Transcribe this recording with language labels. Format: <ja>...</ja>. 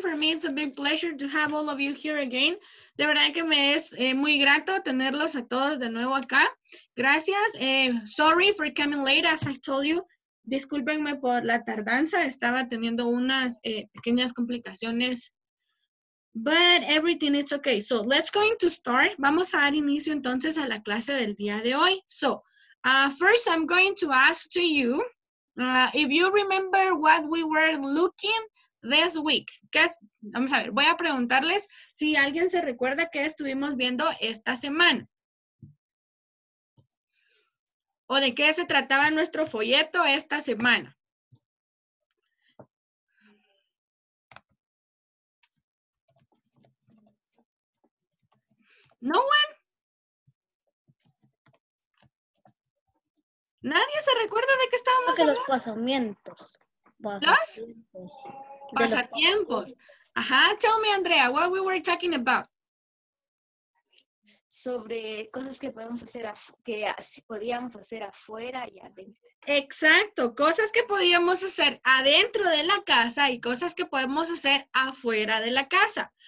<en>For me it's a big pleasure to have all of you here again.</en> <es>De verdad que me es muy grato tenerlos a todos de nuevo acá. Gracias.</es> <en>Sorry for coming late, as I told you.</en> <es>Discúlpenme por la tardanza, estaba teniendo unas pequeñas complicaciones.</es> <en>But everything is okay. So let's go to start.</en> <es>Vamos a dar inicio entonces a la clase del día de hoy.</es> <en>So first I'm going to ask to you, if you remember what we were looking this week.</en> <es>Vamos a ver, voy a preguntarles si alguien se recuerda qué estuvimos viendo esta semana. ¿O de qué se trataba nuestro folleto esta semana?</es> <en>¿No one?</en> <es>¿Nadie se recuerda de qué estábamos hablando? Los pasamientos. ¿Los? Pasatiempos.</es> <en>Ajá, tell me, Andrea, what we were talking about.</en> <es>Sobre cosas que podemos hacer, que podíamos hacer afuera y adentro. Exacto, cosas que podíamos hacer adentro de la casa y cosas que podemos hacer afuera de la casa.</es>